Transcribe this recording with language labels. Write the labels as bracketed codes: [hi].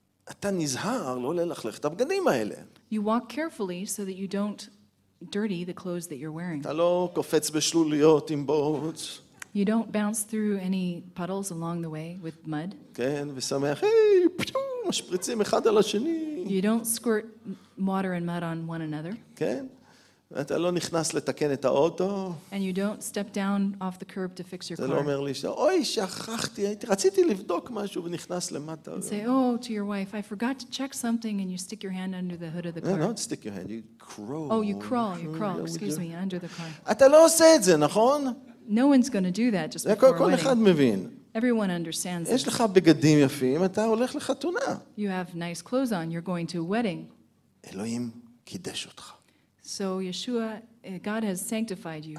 [he] אתה נזהר לא ללכלך את הבגדים האלה. [en] You walk carefully so that you don't dirty the clothes that you're wearing. [he] אתה לא קופץ בשלוליות עם בוץ. [en] You don't bounce through any puddles along the way with mud. [he] כן, ושמח, היי, משפריצים אחד על השני. [en] You don't squirt water and mud on one another. [he] כן. אתה לא נכנס לתקן את האוטו. [en] And you don't step down off the curb to fix your car. [he] אתה לא אומר לי, אוי, שכחתי, רציתי לבדוק משהו ונכנס למטה. [en] And say, oh, to your wife, I forgot to check something, and you stick your hand under the hood of the car. No, not stick your hand, you crawl. Oh, you crawl, excuse me, under the car. [he] אתה לא עושה את זה, נכון? [en] No one's going to do that just before a wedding. [he] כל אחד מבין. [en] Everyone understands that. [he] יש לך בגדים יפים, אתה הולך לחתונה. [en] You have nice clothes on, you're going to a wedding. [he] אלוהים קידש אותך. [en] So Yeshua, God has sanctified you.